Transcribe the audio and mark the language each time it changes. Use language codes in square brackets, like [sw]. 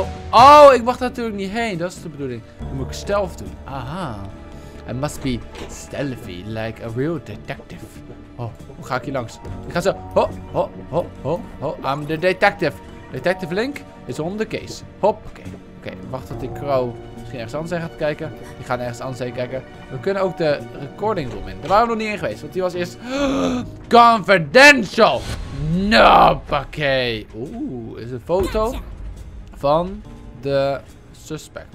[nl] Oh, ik mag daar natuurlijk niet heen. Dat is de bedoeling. Dan moet ik stealth doen. Aha. [en] I must be stealthy, like a real detective. [nl] Oh, hoe ga ik hier langs? Ik ga zo. Ho. [en] I'm the detective. Detective Link is on the case. [nl] Hop. Oké, wacht tot ik Crow misschien ergens anders heen gaat kijken. Die gaan ergens anders heen kijken. We kunnen ook de recording room in. Daar waren we nog niet in geweest, want die was eerst... Confidential! Noppakee! Oeh, is een foto van de suspect.